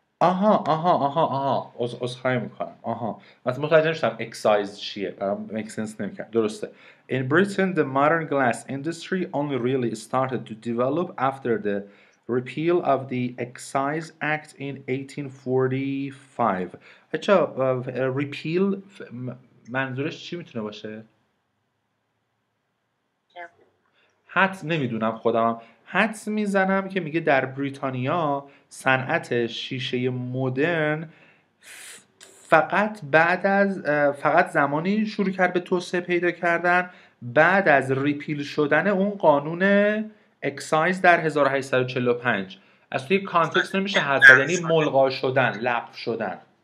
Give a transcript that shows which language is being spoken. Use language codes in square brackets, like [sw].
[fa] آها آها آها آها عذرخواهی میکنم. آها من متوجه نشدم اکسایز چیه. برام [en] make sense [fa] نمیکرد. درسته. [en] In Britain the modern glass industry only really started to develop after the repeal of the Excise Act in 1845. [fa] اچا repeal منظورش چی میتونه باشه؟ حد نمیدونم خودم. حدس میزنم که میگه در بریتانیا صنعت شیشه مدرن فقط بعد از فقط زمانی شروع کرد به توسعه پیدا کردن بعد از ریپیل شدن اون قانون اکسایز در 1845. از توی کانتکست نمیشه حدس زد، یعنی ملغا شدن، لغو شدن.